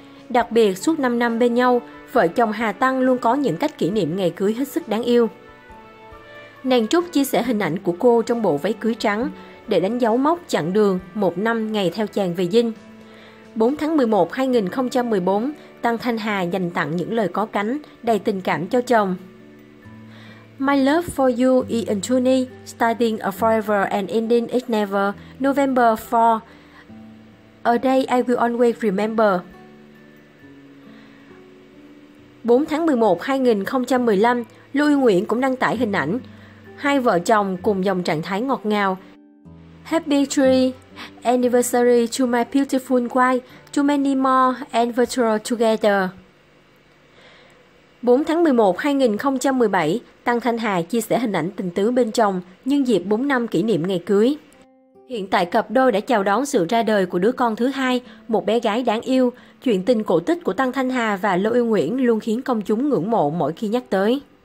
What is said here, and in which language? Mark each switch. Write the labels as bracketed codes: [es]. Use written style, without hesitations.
[vi] Đặc biệt, suốt 5 năm bên nhau, vợ chồng Hà Tăng luôn có những cách kỷ niệm ngày cưới hết sức đáng yêu. Nàng Trúc chia sẻ hình ảnh của cô trong bộ váy cưới trắng để đánh dấu mốc chặng đường một năm ngày theo chàng về dinh. 4 tháng 11, 2014, Tăng Thanh Hà dành tặng những lời có cánh đầy tình cảm cho chồng. [en] My love for you is eternity, starting a forever and ending it never, November 4, a day I will always remember. [vi] 4 tháng 11, 2015, Lưu Nguyễn cũng đăng tải hình ảnh. Hai vợ chồng cùng dòng trạng thái ngọt ngào. [en] Happy tree anniversary to my beautiful wife, too many more anniversaries together. [vi] 4 tháng 11, 2017, Tăng Thanh Hà chia sẻ hình ảnh tình tứ bên chồng nhân dịp 4 năm kỷ niệm ngày cưới. Hiện tại cặp đôi đã chào đón sự ra đời của đứa con thứ hai, một bé gái đáng yêu. Chuyện tình cổ tích của Tăng Thanh Hà và Lô Uy Nguyễn luôn khiến công chúng ngưỡng mộ mỗi khi nhắc tới.